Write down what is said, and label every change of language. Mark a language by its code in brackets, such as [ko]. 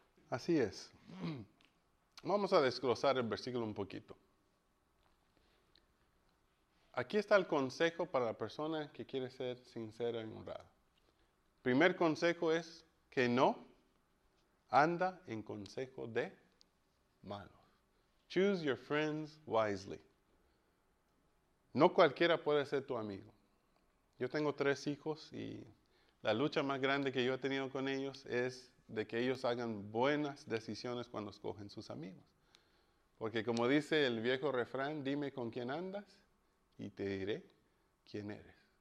[es] Así es. Vamos a desglosar el versículo un poquito. Aquí está el consejo para la persona que quiere ser sincera y honrada. Primer consejo es que no anda en consejo de malos. [en] Choose your friends wisely. [es] No cualquiera puede ser tu amigo. Yo tengo 3 hijos y la lucha más grande que yo he tenido con ellos es de que ellos hagan buenas decisiones cuando escogen sus amigos. Porque como dice el viejo refrán, dime con quién andas y te diré quién eres.